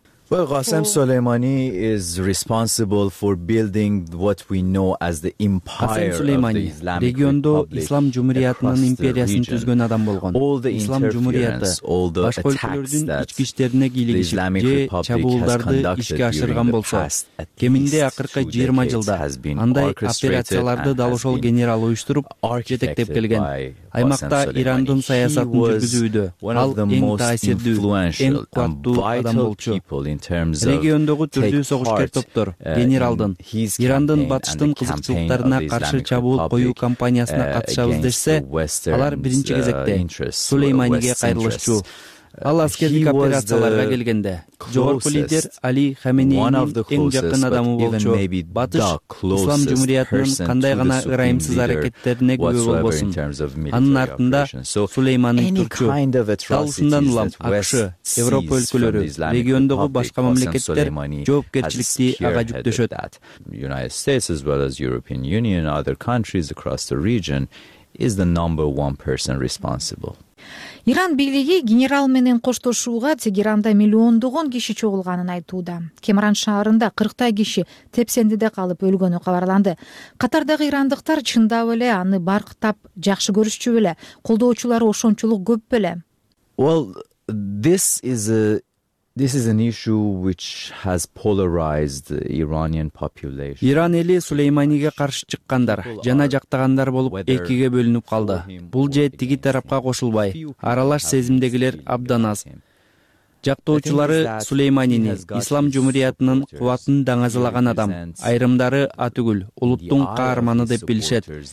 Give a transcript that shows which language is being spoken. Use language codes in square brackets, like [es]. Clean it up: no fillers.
[en] Well, Qasem Soleimani is responsible for building what we know as the empire of the Islamic Republic. [ky] Региондо Ислам Жумхуриятынын империясын түзгөн адам болгон. Ислам Жумхуриятты башка өлкөлөрдүн ички иштерине кийлигиши же чабуулдарды ишке ашырган болсо, кеминде акыркы 20 жылда андай операцияларды дал ошол генерал уюштуруп жетектеп келген. Аймакта Ирандын саясатын жүргүзүүдө ал эң таасирдүү, эң кууаттуу адам болчу. Региондогу түрдүү согушкер топтор генералдын Ирандын батыштын кызыкчылыктарына каршы чабуул коюу кампаниясына катышабыз дешсе, алар биринчи кезекте Сулейманиге кайрылышчу. Ал аскердик операцияларга келгенде жогорку лидер Али Хаменеинин эң жакын адамы болчу. Батыш Ислам Жумхуриятынын кандай гана ырайымсыз аракеттерине күбө болбосун, анын артында Сулейманын турчу. Дал ушундан улам АКШ, Европа өлкөлөрү, региондогу башка мамлекеттер жоопкерчиликти ага жүктөшөт. [en] United States as well as European Union and other countries across the region is the number one person responsible. [ky] Иран бийлиги генерал менен коштошууга Тегеранда миллиондогон киши чогулганын айтууда. Кемран шаарында 40 киши тепсендиде калып өлгөнү кабарланды. Катардагы ирандыктар чындап эле аны барктап жакшы көрүшчү беле? Колдоочулары ошончолук көп беле? [en] Well, this is an issue which has polarized the Iranian population. [ky] Иран эли Сулейманиге каршы чыккандар жана жактагандар болуп экиге бөлүнүп калды. Бул же тиги тарапка кошулбай, аралаш сезимдегилер абдан аз. Жактоочулары Сулейманини Ислам Жумхуриятынын кубатын даңазалаган адам, айрымдары атүгүл улуттун каарманы деп билишет.